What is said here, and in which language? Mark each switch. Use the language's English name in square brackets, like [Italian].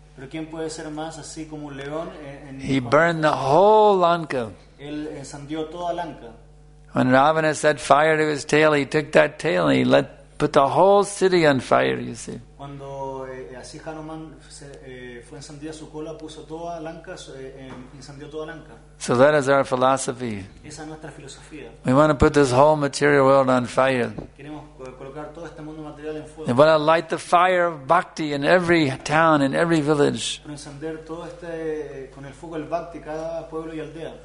[Spanish] Pero ¿quién puede ser más así como un león en [English] He burned the whole Lanka. [Spanish] Él encendió toda Lanka. [English] When Ravana set fire to his tail, he took that tail and he let put the whole city on fire, you see. [Spanish] Cuando así Hanuman fue encendida su cola, puso toda Lanka, encendió toda Lanka. [English] So that is our philosophy. [Spanish] Esa es nuestra filosofía. [English] We want to put this whole material world on fire. [Spanish] Queremos colocar todo este mundo material en fuego. [English] We want to light the fire of bhakti in every town, in every village. [Spanish] Para encender todo este con el fuego el bhakti cada pueblo y aldea.